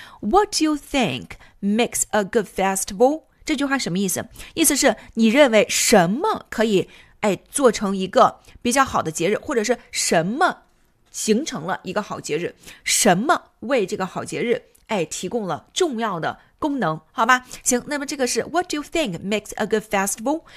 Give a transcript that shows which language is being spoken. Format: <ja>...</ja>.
<en>What do you think makes a good festival?</en> <zh>这句话什么意思？意思是你认为什么可以做成一个比较好的节日，或者是什么形成了一个好节日，什么为这个好节日提供了重要的功能，好吧？行，那么这个是</zh> <en>What do you think makes a good festival?</en>